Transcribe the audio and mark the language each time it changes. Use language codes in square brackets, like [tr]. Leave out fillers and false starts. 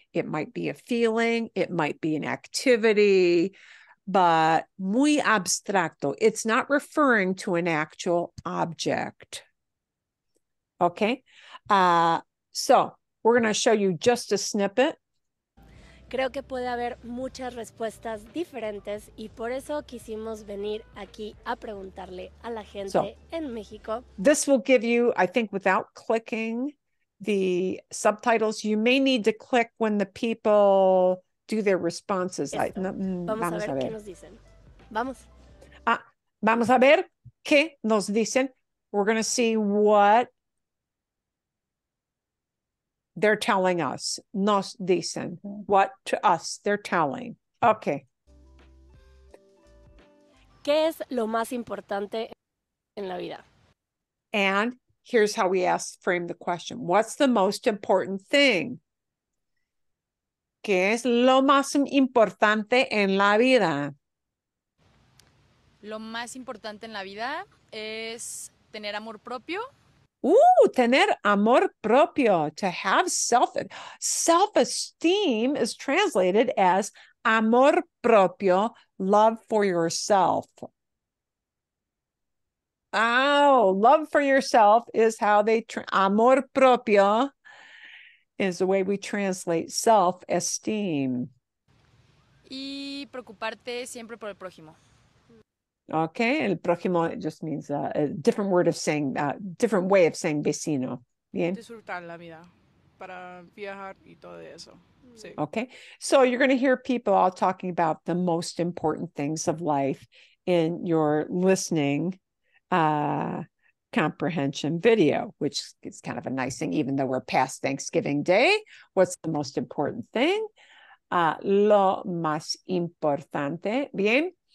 [en] It might be a feeling, it might be an activity, but [es] muy abstracto. [en] It's not referring to an actual object. Okay, so we're going to show you just a snippet. [es] Creo que puede haber muchas respuestas diferentes y por eso quisimos venir aquí a preguntarle a la gente en México. [en] This will give you, I think, without clicking the subtitles, you may need to click when the people do their responses. [es] Vamos a ver qué nos dicen. Vamos. Vamos a ver qué nos dicen. [en] We're going to see what they're telling us, [es] nos dicen, [en] what to us they're telling. Okay. [es] ¿Qué es lo más importante en la vida? [en] And here's how we ask, frame the question. What's the most important thing? [es] ¿Qué es lo más importante en la vida? Lo más importante en la vida es tener amor propio. [en] Ooh, [es] tener amor propio, [en] to have self-esteem is translated as amor propio, love for yourself. Oh, love for yourself is how they, amor propio is the way we translate self-esteem. [es] Y preocuparte siempre por el prójimo. [en] Okay, el prójimo just means a different word of saying, different way of saying vecino. Bien. [es] Disfrutar la vida para viajar y todo eso. Sí. [en] Okay, so you're going to hear people all talking about the most important things of life in your listening comprehension video, which is kind of a nice thing, even though we're past Thanksgiving Day. What's the most important thing? [es] Lo más importante. [en] Bien.